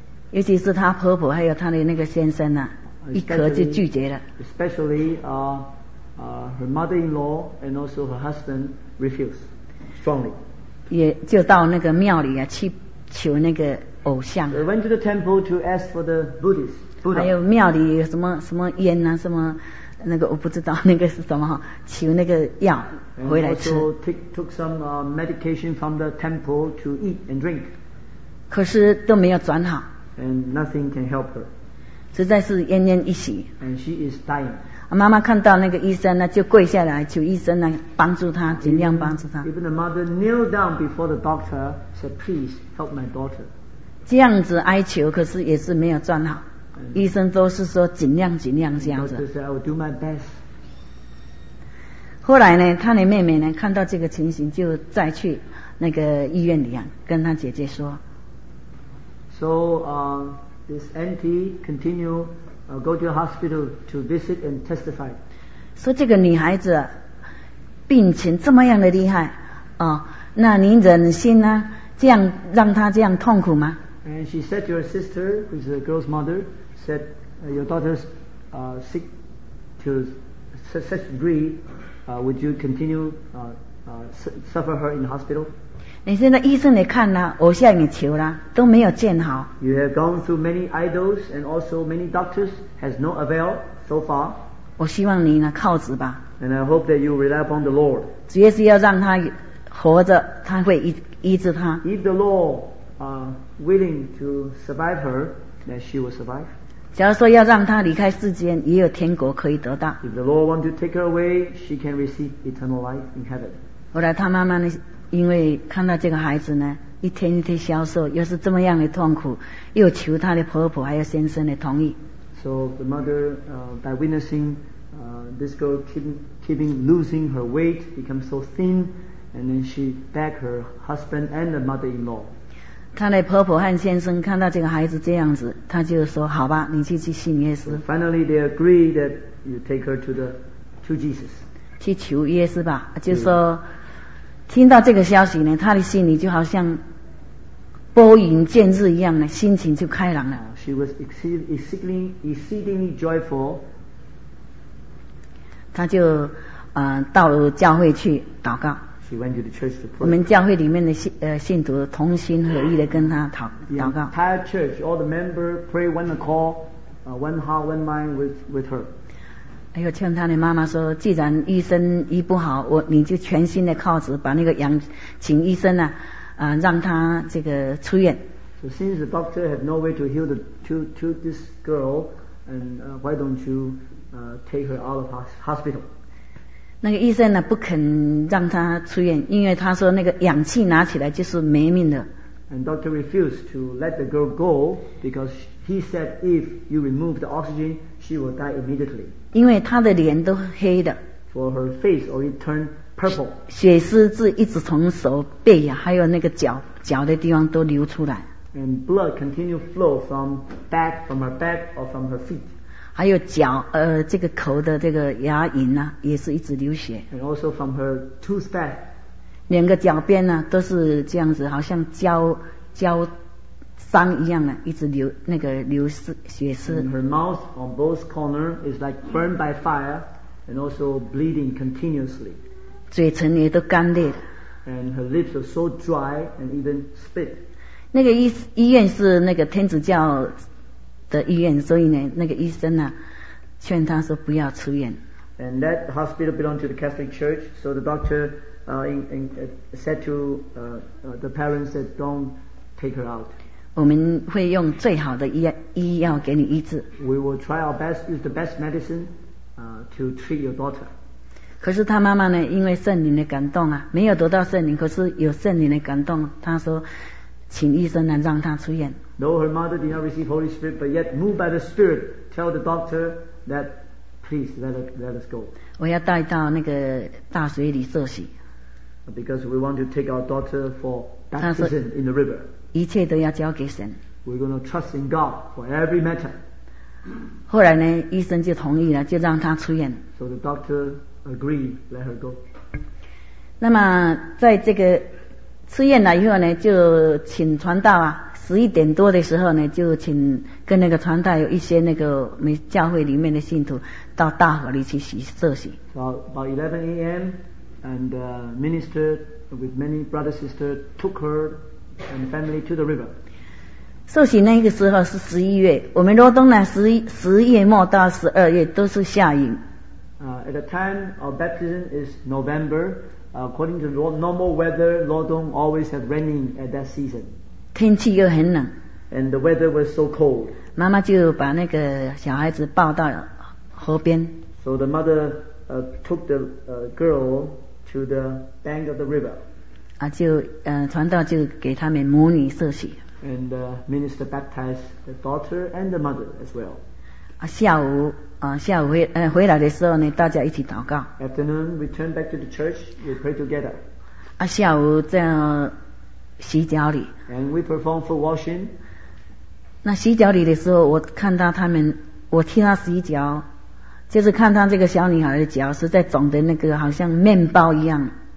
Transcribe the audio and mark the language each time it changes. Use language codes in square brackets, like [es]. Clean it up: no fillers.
[zh] 尤其是她婆婆还有她的那个先生啊一咳就拒绝了 [en] Especially her mother-in-law and also her husband refused strongly [zh] 也就到那个庙里啊去求那个偶像、 [en] They、went to the temple to ask for the Buddhist Buddha [zh] 还有庙里有什么烟啊什么那个我不知道那个是什么求那个药回来吃 [en] And also took some medication from the temple to eat and drink [zh] 可是都没有转好 [en] And nothing can help her [zh] 实在是奄奄一息 [en] And she is dying [zh] 妈妈看到那个医生呢就跪下来求医生呢帮助她尽量帮助她 [en] even the mother kneeled down before the doctor said please help my daughter [zh] 这样子哀求可是也是没有转好医生都是说尽量这样子 [en] the doctor said I will do my best [zh] 后来呢她的妹妹呢看到这个情形就再去那个医院里啊跟她姐姐说 [en] so this auntie continuedgo to a hospital to visit and testify [zh] 说这个女孩子病情这么样的厉害那您忍心呢这样让她这样痛苦吗 [en] And she said to her sister, who is the girl's mother, said, your daughter's sick to such degree, would you continue suffer her in the hospital? [zh] 你现在医生你看啦、啊、偶像你求啦、啊、都没有见好。 [en] You have gone through many idols and also many doctors has no avail so far. [zh] 我希望你呢靠子吧。 [en] And I hope that you rely upon the Lord. [zh] 主耶稣要让他活着他会 医治他。 [en] If the Lord willing to survive her, then she will survive. [zh] 假如说要让他离开世间也有天国可以得到。 [en] If the Lord want to take her away, she can receive eternal life in heaven. [zh] 后来他妈妈呢因为看到这个孩子呢一天一天消瘦又是这么样的痛苦又求她的婆婆还有先生的同意 [en] So the mother by witnessing this girl keeping losing her weight become so thin and then she begged her husband and the mother-in-law [zh] 她的婆婆和先生看到这个孩子这样子她就说好吧你去信耶稣 [en] So finally they agree that you take her to Jesus [zh] 去求耶稣吧就说听到这个消息呢，他的心里就好像拨云见日一样呢，心情就开朗了。 [en] She was exceedingly joyful. [zh] 他就到了教会去祷告。 [en] She went to the church to pray. [zh] 我们教会里面的信徒同心合意的跟他祷告。 [en] The entire church, all the members pray one accord, one heart, one mind with her. [zh] 哎呦，劝他的妈妈说：“既然医生医不好，你就全心的靠子，把那个羊请医生呢、啊，让他这个出院。” [en] So since the doctor had no way to heal the to this girl, and why don't you take her out of hospital? [zh] 那个医生呢不肯让他出院，因为他说那个氧气拿起来就是没命的。 [en] And doctor refused to let the girl go because he said if you remove the oxygen, she will die immediately. [zh] 因为她的脸都黑的 [en] For her face already turned purple. [zh] 血丝是一直从手背、啊、还有那个脚的地方都流出来 [en] And blood continued flow from back, from her back or from her feet. [zh] 还有脚这个口的这个牙龈、啊、也是一直流血 [en] And also from her tooth back. [zh] 两个脚边呢、啊、都是这样子好像胶伤一样的一直流那个流血丝 [en] and her mouth on both corners is like burned by fire and also bleeding continuously [zh] 嘴唇也都干裂 [en] and her lips are so dry and even spit [zh] 那个医院是那个天主教的医院所以呢那个医生呢、啊、劝他说不要出院 [en] and that hospital belonged to the Catholic Church so the doctor said to the parents that don't take her out [zh] 我们会用最好的医药给你医治 [en] We will try our best use the best medicine to treat your daughter [zh] 可是她妈妈呢因为圣灵的感动啊，没有得到圣灵可是有圣灵的感动她说请医生来让她出院 [en] Though her mother did not receive Holy Spirit but yet moved by the Spirit tell the doctor that please let us go [zh] 我要带到那个大水里受洗 [en] Because we want to take our daughter for baptism in the river [zh] 一切都要交给神 [en] We're going to trust in God for every matter [zh] 后来呢医生就同意了就让她出院 [en] So the doctor agreed let her go [zh] 那么在这个出院了以后呢就请传道啊十一点多的时候呢就请跟那个传道有一些那个没教会里面的信徒到大河里去受洗 [en] About 11 a.m. and the minister with many brothers and sisters took herAnd family to the river. [zh] 受洗那个时候是十一月，我们罗东呢十月末到十二月都是下雨。 [en] At the time of baptism is November. According to normal weather, 罗东 always have raining at that season. [zh] 天气又很冷。 [en] And the weather was so cold. [zh] 妈妈就把那个小孩子抱到河边。 [en] So the mother took the girl to the bank of the river. [zh] 啊、就传道就给他们母女受洗 [en] and the minister baptized the daughter and the mother as well、 [zh] 啊、下午 回来的时候呢大家一起祷告 [en] afternoon we turn back to the church we pray together、 [zh] 啊、下午在洗脚里 [en] and we perform foot washing [zh] 那洗脚里的时候我看到他们我替他洗脚就是看他这个小女孩的脚是在肿的那个好像面包一样